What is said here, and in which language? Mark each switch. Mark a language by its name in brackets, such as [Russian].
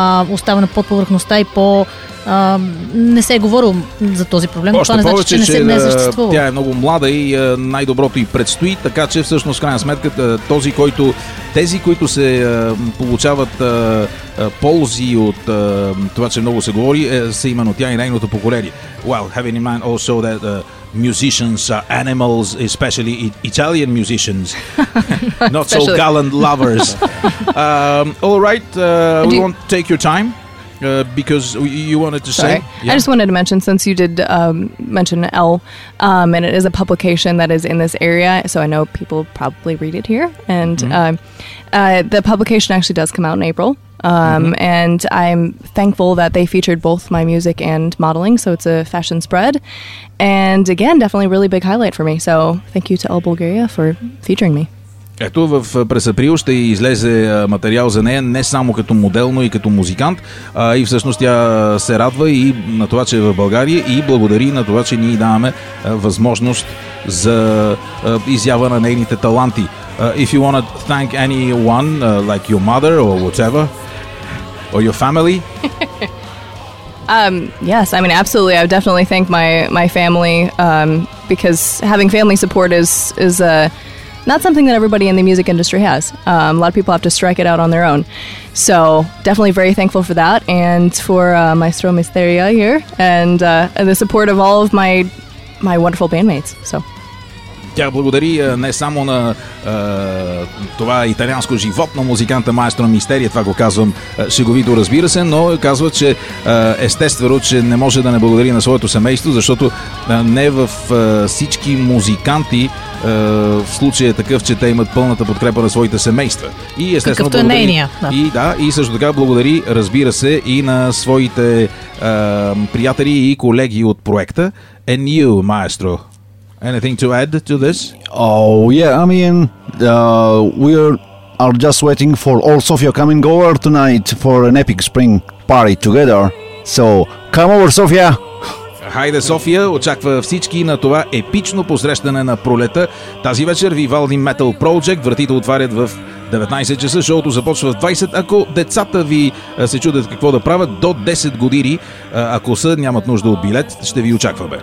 [Bulgarian] остава на подповърхността и по... не се е говорил за този проблем. Още това не повече, значи, че не се съществува. Тя е много млада и най-доброто и предстои, така че всъщност, крайна сметка, този, който, тези, които се получават ползи от това, че много се говори, са именно тя и нейното поколение. [English] Well, having in mind also that musicians are animals, especially Italian musicians, not so gallant lovers. Alright, we won't take your time. Because you wanted to say? Yeah. I just wanted to mention, since you did mention Elle, and it is a publication that is in this area, so I know people probably read it here, and the publication actually does come out in April, and I'm thankful that they featured both my music and modeling, so it's a fashion spread, and again, definitely really big highlight for me, so thank you to Elle Bulgaria for featuring me. [Bulgarian] Ето, през април ще излезе материал за нея, не само като модел, но и като музикант. И всъщност тя се радва и на това, че е в България, и благодари на това, че ние даваме възможност за изява на нейните таланти. [English] If you want to thank anyone, like your mother or whatever, or your family... Yes, I mean, absolutely. I would definitely thank my family, because having family support is a... not something that everybody in the music industry has. A lot of people have to strike it out on their own. So definitely very thankful for that and for Maestro Misteria here and the support of all of my wonderful bandmates. So. [Bulgarian] Тя благодари не само на това италианско живот на музиканта Маестро Мистерия, това го казвам шеговито, разбира се, но казва, че естествено, че не може да не благодари на своето семейство, защото не в всички музиканти в случая е такъв, че те имат пълната подкрепа на своите семейства. И естествено, какъвто благодари, е нейния. Да. И също така благодари, разбира се, и на своите приятели и колеги от проекта. [English] And you, Maestro. Anything to add to this? Oh, yeah, I mean, we are just waiting for all Sofia coming over tonight for an epic spring party together. So, come over, Sofia! [Bulgarian] Хайде, София! Очаква всички на това епично посрещане на пролета. Тази вечер Vivaldi Metal Project, вратите отварят в 19 часа, шоуто започва в 20. Ако децата ви се чудят какво да правят, до 10 години, ако са, нямат нужда от билет, ще ви очакваме.